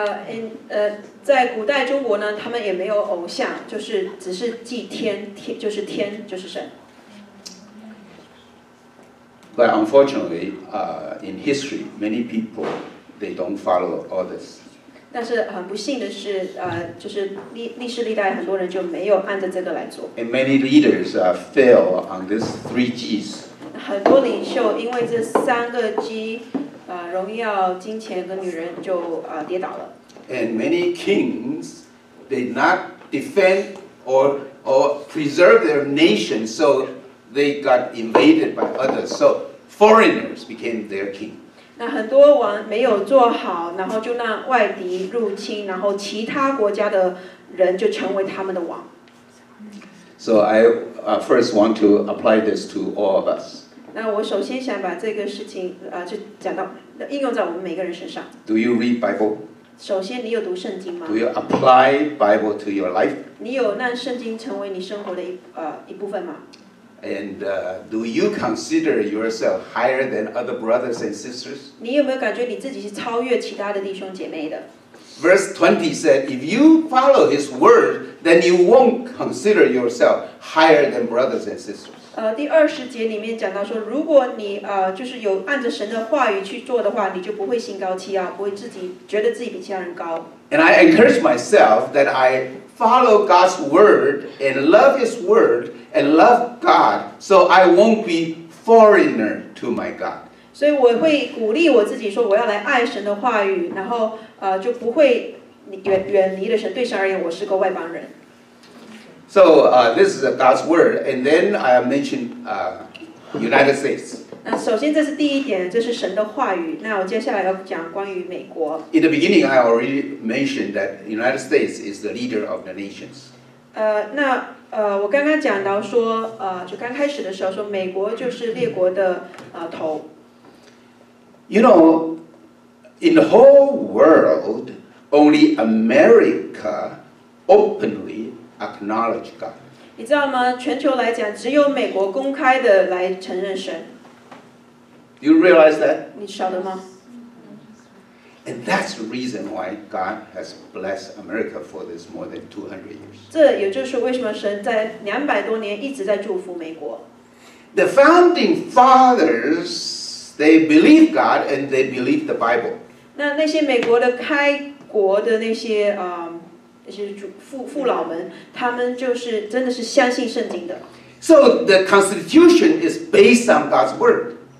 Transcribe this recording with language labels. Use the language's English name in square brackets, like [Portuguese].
[Chinese] In 在古代中国呢，他们也没有偶像，就是只是祭天，就是天，就是神。 [English] But unfortunately, in history, many people they don't follow all this. [Chinese] 但是很不幸的是，就是历史历代很多人就没有按着这个来做。 [English] And many leaders fail on this 3 G's. [Chinese] 很多领袖因为这三个 G， 荣耀、金钱跟女人就跌倒了。 [English] And many kings they not defend or preserve their nation, so they got invaded by others. So foreigners became their king. [Chinese] 那很多王没有做好，然后就让外敌入侵，然后其他国家的人就成为他们的王。 [English] So I first want to apply this to all of us. [Chinese] 那我首先想把这个事情就讲到应用在我们每个人身上。 [English] Do you read Bible? [Chinese] 首先，你有读圣经吗 [English] ？Do you apply Bible to your life? [Chinese] 你有让圣经成为你生活的一部分吗？ [English] And do you consider yourself higher than other brothers and sisters? [Chinese] 你有没有感觉你自己是超越其他的弟兄姐妹的？ [English] Verse 20 said, if you follow his word, then you won't consider yourself higher than brothers and sisters. [Chinese] 第二十节里面讲到说，如果你就是有按着神的话语去做的话，你就不会心高气傲，不会自己觉得自己比其他人高。 [English] And I encourage myself that I follow God's word and love his word. And love God, so I won't be foreigner to my God. [Chinese] 所以我会鼓励我自己说，我要来爱神的话语，然后就不会远离了神。对神而言，我是个外邦人。 [English] So this is God's word, and then I mentioned United States. [Chinese] 那首先这是第一点，这是神的话语。那我接下来要讲关于美国。 [English] In the beginning, I already mentioned that United States is the leader of the nations. [Chinese] 我刚刚讲到说，就刚开始的时候说，美国就是列国的头。 [English] You know, in the whole world, only America openly acknowledge God. [Chinese] 你知道吗？全球来讲，只有美国公开的来承认神。 [English] Do you realize that? [Chinese] 你晓得吗？ [English] And that's the reason why God has blessed America for this more than 200 years. [Chinese] 这也就是为什么神在两百多年一直在祝福美国。 [English] The founding fathers, they believed God and they believed the Bible. [Chinese] 那些美国的开国的那些那些父老们，他们就是真的是相信圣经的。 [English] So the Constitution is based on God's word.